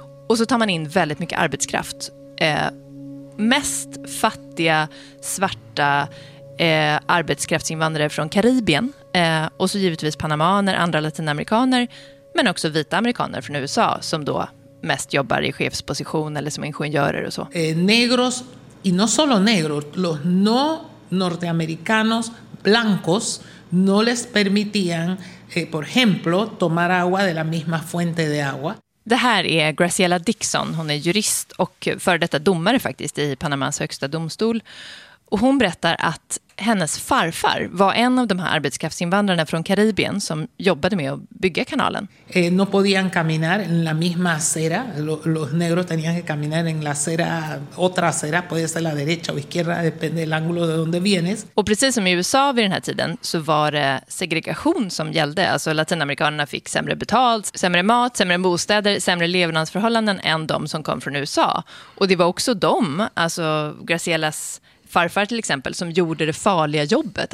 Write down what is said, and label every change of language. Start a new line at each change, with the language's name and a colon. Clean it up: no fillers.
Swedish: Och så tar man in väldigt mycket arbetskraft. Mest fattiga, svarta arbetskraftsinvandrare från Karibien. Och så givetvis panamaner, andra latinamerikaner. Men också vita amerikaner från USA som då mest jobbar i chefsposition eller som ingenjörer och så.
Spanish: Negros, y no solo negros, los no norteamericanos blancos no les permitían, por ejemplo, tomar agua de la misma fuente de agua.
Swedish: Det här är Graciela Dixon. Hon är jurist och för detta domare faktiskt i Panamas högsta domstol. Och hon berättar att hennes farfar var en av de här arbetskraftsinvandrarna från Karibien som jobbade med att bygga kanalen.
Spanish: No podían caminar en la misma acera. Los negros tenían que caminar en la acera, otra acera, puede ser la derecha o izquierda, depende del ángulo de donde vienes.
Swedish: Och precis som i USA vid den här tiden så var det segregation som gällde. Alltså latinamerikanerna fick sämre betalt, sämre mat, sämre bostäder, sämre levnadsförhållanden än de som kom från USA. Och det var också de, alltså Gracielas farfar till exempel, som gjorde det farliga jobbet.